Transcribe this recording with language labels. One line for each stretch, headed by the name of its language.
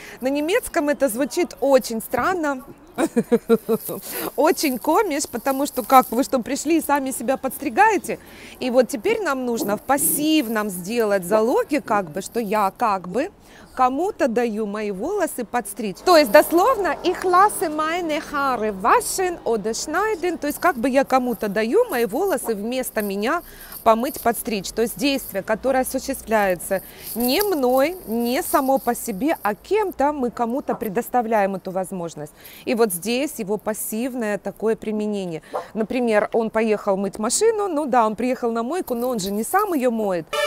Russian: На немецком это звучит очень странно. Очень комиш, потому что как вы что пришли и сами себя подстригаете. И вот теперь нам нужно в пассивном сделать залоги, как бы, что я как бы кому-то даю мои волосы подстричь. То есть дословно
German: ich lasse meine Haare waschen oder schneiden.
Russian: То есть как бы я кому-то даю мои волосы вместо меня помыть, подстричь. То есть действие, которое осуществляется не мной, не само по себе, а кем-то, мы кому-то предоставляем эту возможность. И вот здесь его пассивное такое применение. Например, он поехал мыть машину, ну да, он приехал на мойку, но он же не сам ее моет.